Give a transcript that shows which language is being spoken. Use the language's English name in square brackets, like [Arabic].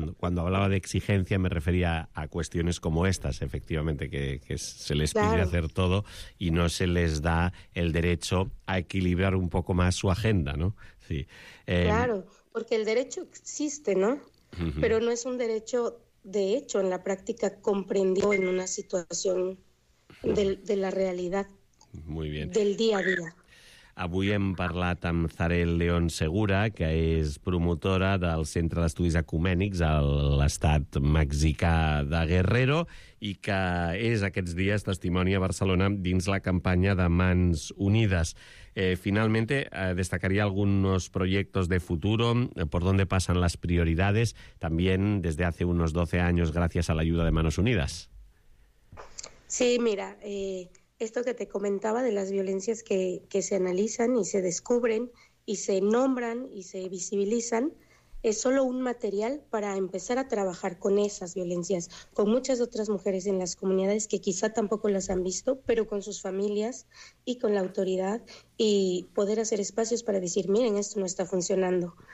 [Spanish] Cuando hablaba de exigencia, me refería a cuestiones como estas, efectivamente, que se les pide hacer todo y no se les da el derecho a equilibrar un poco más su agenda, ¿no? Sí. Claro, porque el derecho existe, ¿no? Pero no es un derecho, de hecho, en la práctica comprendido en una situación de la realidad. Muy bien. Del día a día. [Catalan] Avui hem parlat amb Zarel León Segura, que és promotora del Centre d'Estudis Ecumènics a l'estat mexicà de Guerrero i que és aquests dies testimoni a Barcelona dins la campanya de Mans Unides. [Spanish] Finalmente, destacaría algunos proyectos de futuro, por dónde pasan las prioridades, también desde hace unos 12 años gracias a la ayuda de Manos Unidas. Sí, mira, esto que te comentaba de las violencias que se analizan y se descubren y se nombran y se visibilizan es solo un material para empezar a trabajar con esas violencias, con muchas otras mujeres en las comunidades que quizá tampoco las han visto, pero con sus familias y con la autoridad, y poder hacer espacios para decir, miren, esto no está funcionando.